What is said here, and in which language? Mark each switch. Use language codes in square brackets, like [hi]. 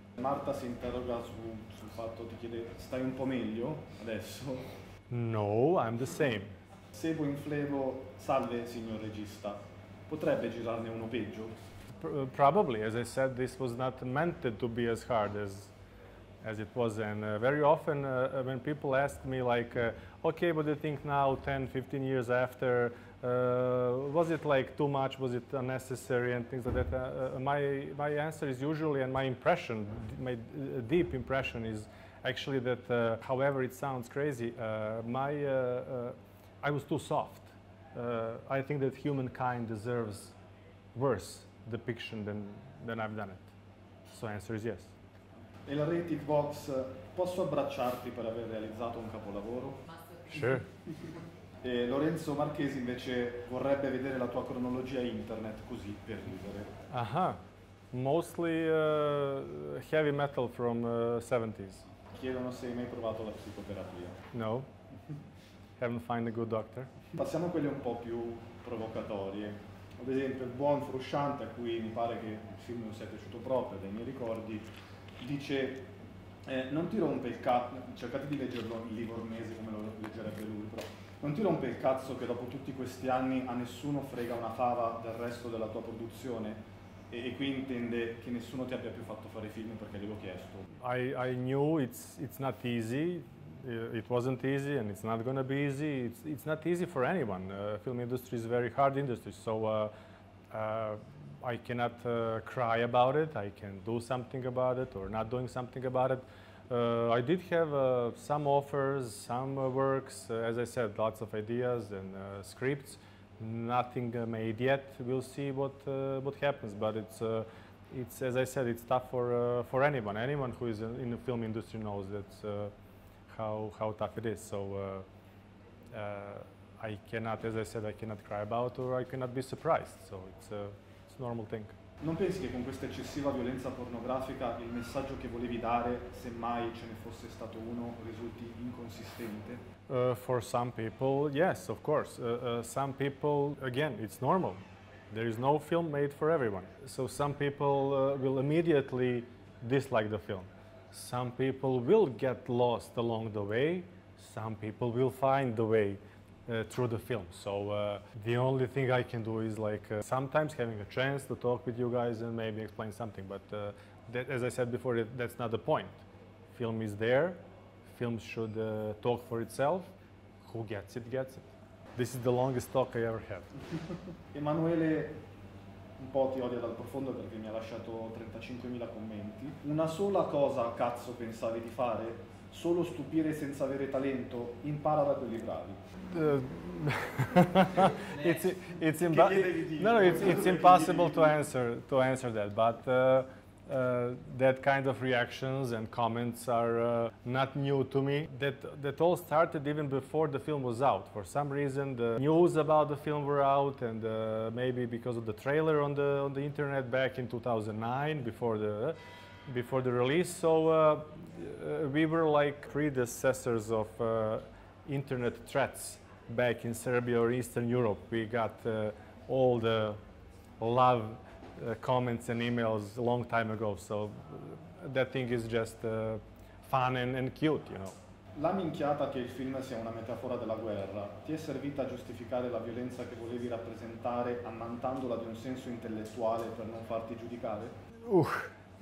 [it] Marta si interroga sul fatto, ti chiede, stai un po' meglio adesso? [en] No, I'm the same. [it] Sebo in flevo, salve signor regista, potrebbe girarne uno peggio? [en] Probably, as I said, this was not meant to be as hard as it was. And very often when people ask me like, okay, what do you think now, 10, 15 years after, was it like too much, was it unnecessary and things like that? My answer is usually, and my impression, my deep impression is actually that, however it sounds crazy, I was too soft. I think that humankind deserves worse depiction than I've done it. So answer is yes. [it] E la rating box, posso abbracciarti per aver realizzato un capolavoro? [en] Sure. [it] E Lorenzo Marchesi invece vorrebbe vedere la tua cronologia internet così per ridere. [en] Aha. Mostly heavy metal from 70s. [it] Chiedono se hai mai provato la psicoterapia. [en] No. Haven't find a good doctor. [it] Passiamo a quelle un po' più provocatorie. Ad esempio, il buon Frusciante, a cui mi pare che il film non sia piaciuto proprio, dai miei ricordi, dice, non ti rompe il cazzo, cercate di leggerlo in livornese come lo leggerebbe lui, però, non ti rompe il cazzo che dopo tutti questi anni a nessuno frega una fava del resto della tua produzione? e qui intende che nessuno ti abbia più fatto fare film perché glielo ho chiesto. [en] I knew it's not easy. It wasn't easy and it's not going to be easy. It's not easy for anyone. Film industry is a very hard industry, so I cannot cry about it. I can do something about it or not doing something about it. I did have some offers, some works, as I said, lots of ideas and scripts. Nothing made yet. We'll see what happens. But it's as I said, it's tough for anyone. Anyone who is in the film industry knows that how tough it is. So I cannot, as I said, I cannot cry about or I cannot be surprised. So it's a normal thing. [it] Non pensi che con questa eccessiva violenza pornografica il messaggio che volevi dare, se mai ce ne fosse stato uno, risulti inconsistente? [en] For some people, yes, of course. Some people, again, it's normal. There is no film made for everyone. So some people will immediately dislike the film. Some people will get lost along the way. Some people will find the way through the film. So the only thing I can do is like sometimes having a chance to talk with you guys and maybe explain something. But that, as I said before, that's not the point. Film is there. Film should talk for itself. Who gets it, gets it. This is the longest talk I ever had. [it] Emanuele un po' ti odia dal profondo perché mi ha lasciato 35.000 commenti. Una sola cosa a cazzo pensavi di fare? Solo stupire senza avere talento? Impara da quelli bravi. [en] It's impossible to answer that, but that kind of reactions and comments are not new to me. That all started even before the film was out. For some reason, the news about the film were out, and maybe because of the trailer on the internet back in 2009, before the release. So we were like predecessors of internet threats back in Serbia or Eastern Europe. We got all the love comments and emails a long time ago, so that thing is just fun and cute, you know. [it] La minchiata che il film sia una metafora della guerra ti è servita a giustificare la violenza che volevi rappresentare ammantandola di un senso intellettuale per non farti giudicare?